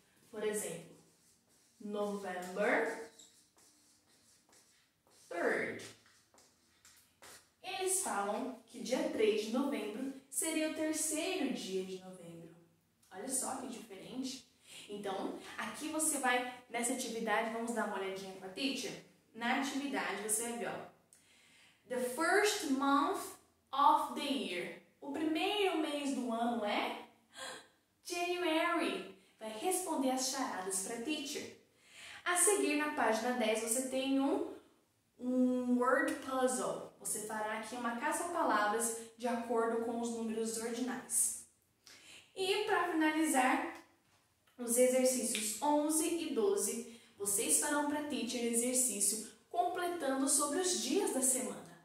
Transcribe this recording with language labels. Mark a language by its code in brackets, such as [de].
[pt] Por exemplo, November 3rd. Eles falam que dia 3 de novembro seria o terceiro dia de novembro. Olha só que diferente. Então, aqui você vai, nessa atividade, vamos dar uma olhadinha com a teacher? Na atividade, você vai ver, ó. [en] The first month of the year. [pt] O primeiro mês do ano é January. Vai responder as charadas para a teacher. A seguir, na página 10, você tem um word puzzle. Você fará aqui uma caça-palavras de acordo com os números ordinais. E para finalizar, os exercícios 11 e 12, vocês farão para a teacher exercício completando sobre os dias da semana.